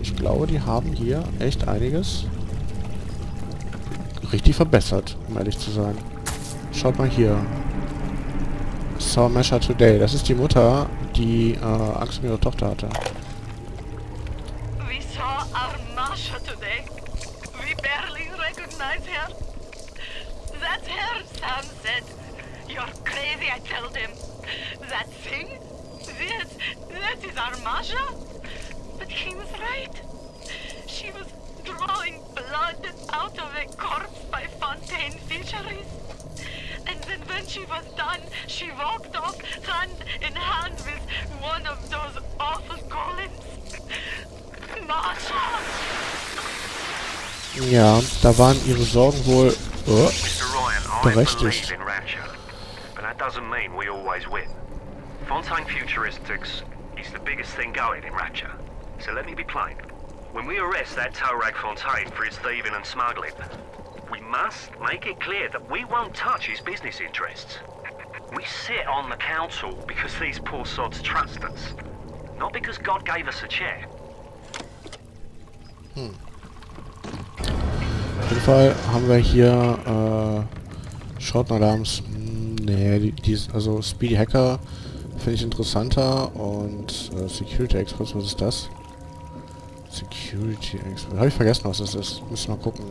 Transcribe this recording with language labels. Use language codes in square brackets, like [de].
[de] Ich glaube, die haben hier echt einiges richtig verbessert, um ehrlich zu sein. Schaut mal hier. [en] Saw Mesha Today. [de] Das ist die Mutter, die Angst um ihre Tochter hatte. [en] We saw our Masha today. We barely recognize her. That's her, Sam said. You're crazy, I tell them. That thing? That is our Masha? But he was right. She was drawing blood out of a corpse by Fontaine Fisheries. And then when she was done, she walked off hand in hand with one of those awful golems. Masha! [de] Ja, da waren ihre Sorgen wohl berechtigt. [en] Ryan, I believe in Rapture. But that doesn't mean we always win. Fontaine Futuristics is the biggest thing going in Rapture. So let me be plain. When we arrest that Tuareg Fontaine for his thieving and smuggling, we must make it clear that we won't touch his business interests. We sit on the council because these poor sods trust us, not because God gave us a chair. [de] Auf jeden Fall haben wir hier Schottnerdams. Nee, also Speedy Hacker finde ich interessanter und Security Express, was ist das? Security Expert. Habe ich vergessen, was das ist. Müssen wir mal gucken.